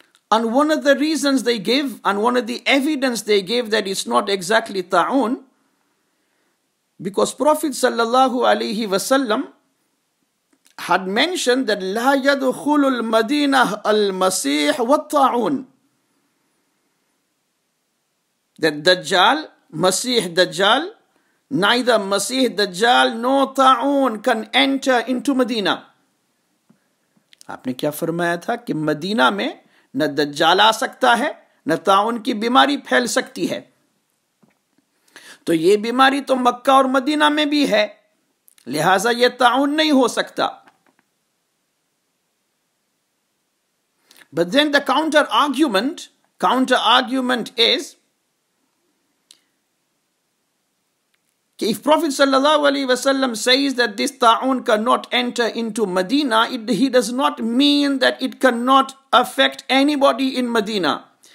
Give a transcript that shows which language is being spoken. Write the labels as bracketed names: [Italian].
[English] And one of the reasons they give and one of the evidence they give that it's not exactly ta'un, because Prophet sallallahu alayhi wasallam had mentioned that [Arabic] la yadkhulu al-madina al-masih wa ta'un, [English] that Dajjal, Masih Dajjal, neither Masih Dajjal nor Ta'un can enter into Medina. [Urdu] آپ نے کیا فرمایا تھا کہ مدینہ میں نہ دجال آ سکتا ہے نہ طاعون کی بیماری پھیل سکتی ہے. تو یہ بیماری تو مکہ اور مدینہ میں بھی ہے, لہذا یہ طاعون نہیں ہو سکتا. [English] But then the counter argument is, if Prophet sallallahu alaihi wasallam says that this ta'un cannot enter into Medina, he does not mean that it cannot affect anybody in Medina.